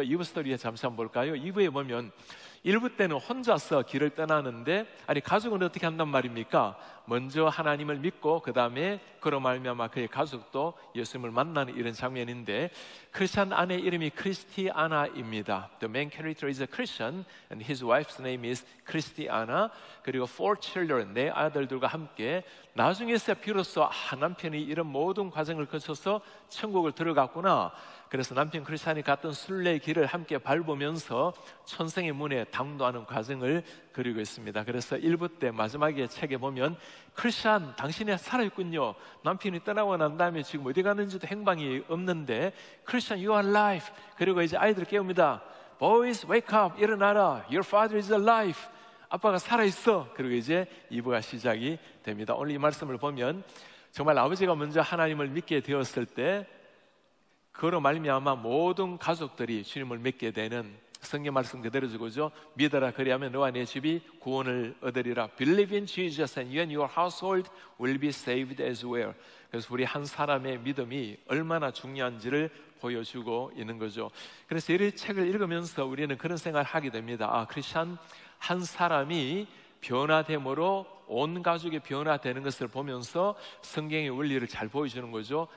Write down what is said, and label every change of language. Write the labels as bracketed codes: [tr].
[ko] 2부 스토리에 잠시 한번 볼까요? 2부에 보면 1부 때는 혼자서 길을 떠나는데, 아니 가족은 어떻게 한단 말입니까? 먼저 하나님을 믿고 그 다음에 그로 말미암아 그의 가족도 예수님을 만나는 이런 장면인데, 크리스찬 아내 이름이 크리스티아나입니다. [en] The main character is a Christian and his wife's name is 크리스티아나. [ko] 그리고 [en] four children, [ko] 네 아들들과 함께 나중에서 비로소 남편이 이런 모든 과정을 거쳐서 천국을 들어갔구나. 그래서 남편 크리스찬이 갔던 순례의 길을 함께 밟으면서 천성의 문에 당도하는 과정을 그리고 있습니다. 그래서 1부 때 마지막에 책에 보면 크리스찬 당신이 살아있군요, 남편이 떠나고 난 다음에 지금 어디 갔는지도 행방이 없는데, 크리스찬 [en] you are alive. [ko] 그리고 이제 아이들 깨웁니다. [en] Boys wake up, [ko] 일어나라. [en] Your father is alive. [ko] 아빠가 살아있어. 그리고 이제 2부가 시작이 됩니다. 오늘 이 말씀을 보면 정말 아버지가 먼저 하나님을 믿게 되었을 때 그로 말미암아 모든 가족들이 주님을 믿게 되는, 성경 말씀 그대로 주고죠. 믿어라 그리하면 너와 내 집이 구원을 얻으리라. [en] Believe in Jesus and you and your household will be saved as well. [ko] 그래서 우리 한 사람의 믿음이 얼마나 중요한지를 보여주고 있는 거죠. 그래서 이 책을 읽으면서 우리는 그런 생각을 하게 됩니다. 아, 크리스찬 한 사람이 변화됨으로 온 가족이 변화되는 것을 보면서 성경의 원리를 잘 보여주는 거죠.